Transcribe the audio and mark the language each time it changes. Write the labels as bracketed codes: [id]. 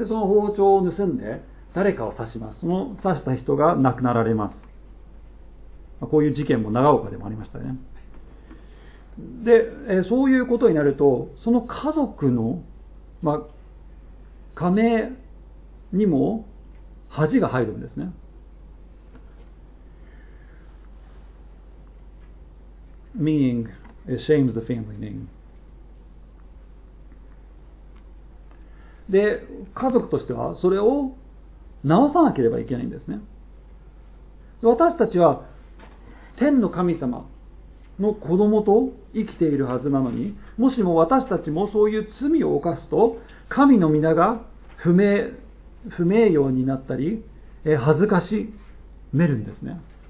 [ja] で、その包丁を盗んで誰かを刺します。その刺した人が亡くなられます。こういう事件も長岡でもありましたね。で、そういうことになると、その家族の、まあ、加盟、にも恥が入るんですね。 [en] Meaning, it shames the family name. [ja] で、家族としてはそれを直さなければいけないんですね。私たちは天の神様の子供と生きているはずなのに、もしも私たちもそういう罪を犯すと、神の皆が不名誉になったり、恥ずかしめるんですね。